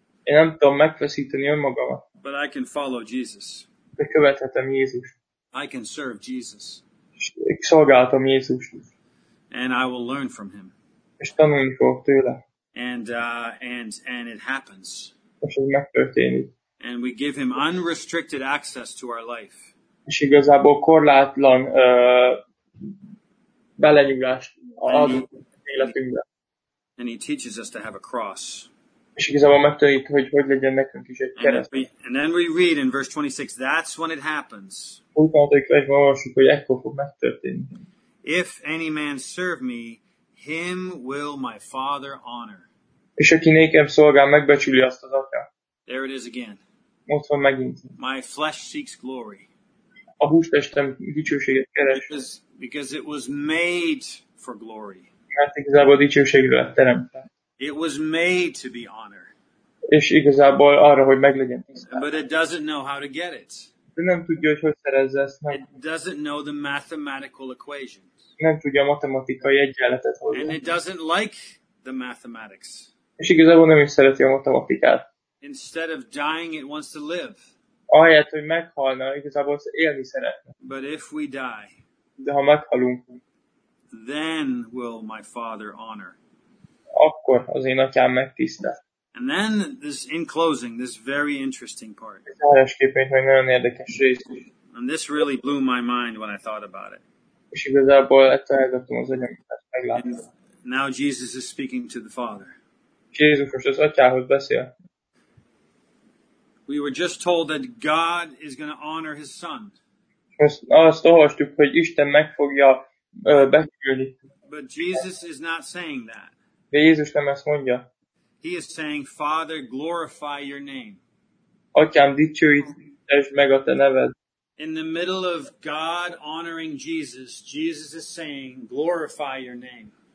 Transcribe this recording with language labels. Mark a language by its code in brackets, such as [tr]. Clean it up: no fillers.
[hu] Én nem tudom megfeszíteni önmagamat. [en] But I can follow Jesus. [hu] De követhetem Jézus. [en] I can serve Jesus. [hu] És szolgálhatom Jézust. [en] And I will learn from him. [hu] És tanulni fogok tőle. [en] And it happens. [hu] És ez megtörténik. [en] And we give him unrestricted access to our life. [hu] És igazából korlátlan belenyúlást az életünkbe. [en] And he teaches us to have a cross. [hu] És igazából megtanít, hogy legyen nekünk is egy kereszt. [en] And then we read in verse 26, that's when it happens. [hu] Utánatok versben olvassuk, hogy ekkor fog megtörténni. [en] If any man serve me, him will my father honor. [hu] És aki nékem szolgál, megbecsüli azt az atya. [en] There it is again. [hu] Most van megint. [en] My flesh seeks glory. [hu] A hústestem dicsőséget keres. [en] Because it was made for glory. [hu] Mert igazából dicsőségre lett teremtve. [en] It was made to be honor. [hu] És igazából arra, hogy meglegyen. [en] But it doesn't know how to get it. [hu] De nem tudja, hogy szerezze ezt meg. [en] It doesn't know the mathematical equations. [hu] Nem tudja a matematikai egyenletet. [en] And it doesn't like the mathematics. [hu] És igazából nem is szereti a matematikát. [en] Instead of dying, it wants to live. [hu] Ahelyett, hogy meghalna, igazából élni szeretne. [en] But if we die, [hu] de ha meghalunk, [en] then will my father honor. [hu] Akkor az én atyám megtisztel. [en] And then, this, in closing, this very interesting part. [hu] Zárásképpen egy nagyon érdekes rész. [en] And this really blew my mind when I thought about it. [hu] És igazából ettől eldobtam az agyam, ezt meglátom. [en] Now Jesus is speaking to the Father. [hu] Jézus most az atyához beszél. [en] We were just told that God is going to honor his son. [hu] Azt olvastuk, hogy Isten meg fogja becsülni. [en] But Jesus is not saying that. [hu] De Jézus nem ezt mondja. [en] He is saying, Father, glorify your name. [hu] Atyám, dicsőítsd meg a te neved. [en] In the middle of God honoring Jesus, Jesus is saying, glorify your name.